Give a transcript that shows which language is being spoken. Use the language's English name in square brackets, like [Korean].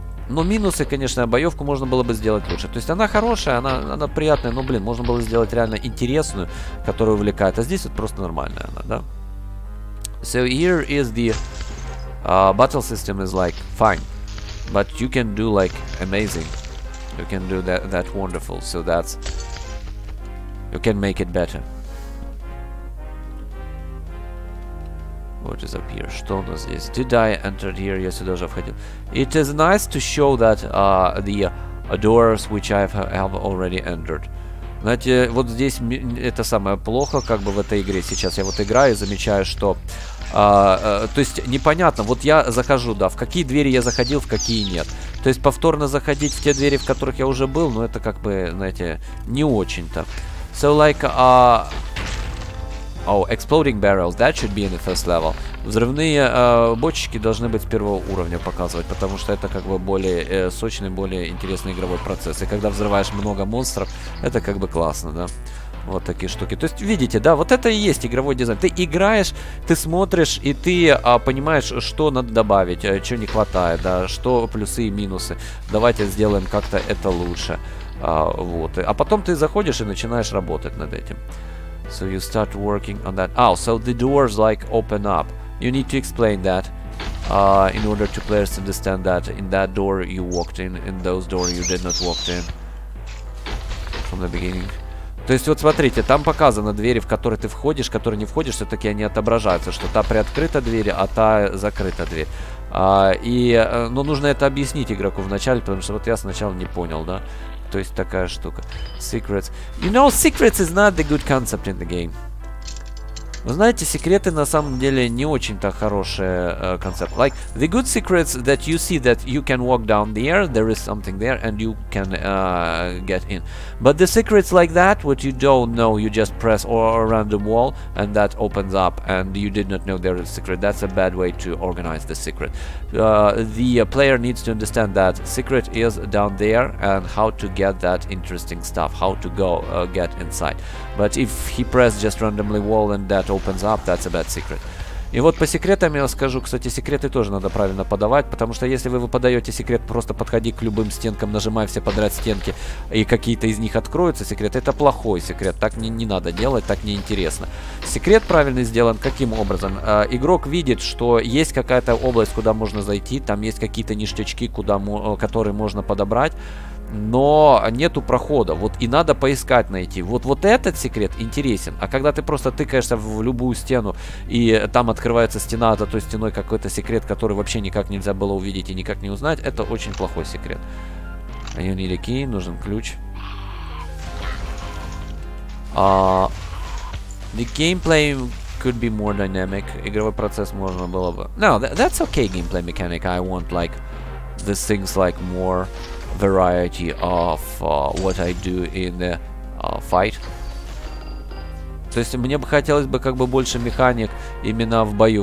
[Russian] Но минусы, конечно, боевку можно было бы сделать лучше. То есть она хорошая, она приятная, но, блин, можно было сделать реально интересную, которая увлекает. А здесь вот просто нормальная она, да? [English] So here is the battle system is like fine, but you can do like amazing. You can do that wonderful, so that's... You can make it better. What is up here? [Russian] Что у нас здесь? [English] Did I enter here? [Russian] Я сюда уже входил. [English] It is nice to show that the doors which I have already entered. [Russian] Знаете, вот здесь это самое плохо, как бы в этой игре сейчас. Я вот играю и замечаю, что... то есть непонятно. Вот я захожу, да, в какие двери я заходил, в какие нет. То есть повторно заходить в те двери, в которых я уже был, ну это как бы, знаете, не очень-то. [English] So like... Oh, exploding barrels, that should be in the first level. [Russian] Взрывные бочки должны быть с первого уровня показывать, потому что это как бы более сочный, более интересный игровой процесс. И когда взрываешь много монстров, это как бы классно, да? Вот такие штуки. То есть, видите, да, вот это и есть игровой дизайн. Ты играешь, ты смотришь, и ты понимаешь, что надо добавить, что не хватает, да, что плюсы и минусы. Давайте сделаем как-то это лучше. Вот. А потом ты заходишь и начинаешь работать над этим. [English] So you start working on that. Oh, so the doors like open up. You need to explain that in order to players understand that in that door you walked in those door you did not walked in from the beginning. [Russian] То есть вот смотрите, там показано двери, в которые ты входишь, которые не входишь, все-таки они отображаются, что та приоткрыта дверь, а та закрыта дверь. Но нужно это объяснить игроку вначале, потому что вот я сначала не понял, да? То есть такая штука. [English] Secrets. You know, secrets is not the good concept in the game. [Russian] Вы знаете, секреты на самом деле не очень-то хорошая концепт. [English] Like, the good secrets that you see that you can walk down there, there is something there, and you can get in. But the secrets like that, what you don't know, you just press or a random wall, and that opens up, and you did not know there is a secret. That's a bad way to organize the secret. The player needs to understand that secret is down there, and how to get that interesting stuff, how to go get inside. But if he pressed just randomly wall and that opens up, that's a bad secret. [Russian] И вот по секретам я скажу, кстати, секреты тоже надо правильно подавать, потому что если вы подаете секрет, просто подходи к любым стенкам, нажимай все подряд стенки, и какие-то из них откроются, секрет, это плохой секрет, так не надо делать, так неинтересно. Секрет правильно сделан каким образом? Игрок видит, что есть какая-то область, куда можно зайти, там есть какие-то ништячки, которые можно подобрать, но нету прохода, вот и надо поискать найти. Вот этот секрет интересен, а когда ты просто тыкаешься в любую стену, и там открывается стена, а за той стеной какой-то секрет, который вообще никак нельзя было увидеть и никак не узнать, это очень плохой секрет. [English] You need a key, [Russian] нужен ключ. [English] The gameplay could be more dynamic. [Russian] Игровой процесс можно было бы... [English] No, that's okay gameplay mechanic, I want like the things like more... variety of what I do in the fight. [Russian] То есть мне бы хотелось бы как бы больше механик именно в бою.